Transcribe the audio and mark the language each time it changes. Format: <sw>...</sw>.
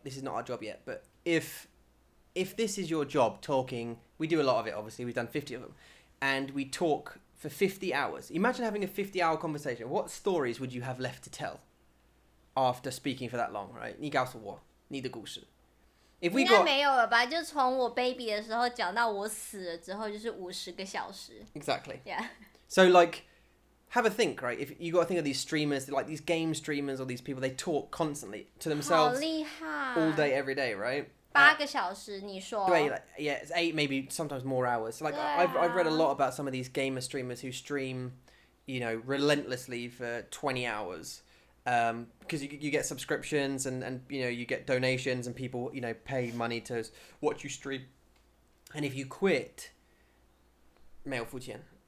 <en>This is not our job yet, but if this is your job, talking, we do a lot of it. Obviously, we've done 50 of them, and we talk. For 50 hours. Imagine having a 50-hour conversation. What stories would you have left to tell after speaking for that long, right?</en> <zh>你告诉我你的故事。</zh> <en>If we got...</en> <zh>应该没有了吧就从我 baby 的时候讲到我死了之后就是50个小时。</zh> <en>Exactly. Yeah. So, like, have a think, right? If you got to think of these streamers, like these game streamers or these people, they talk constantly to themselves</en> <zh>好厉害</zh> <en>all day, every day, right?</en> <zh>八个小时，你说？对</zh> <en>like, ，yeah, it's eight, maybe sometimes more hours. Like、啊、 I've read a lot about some of these gamer streamers who stream, you know, relentlessly for 20 hours, because you get subscriptions and you know you get donations and people you know pay money to watch you stream, and if you quit,</en> <zh>没有付钱</zh>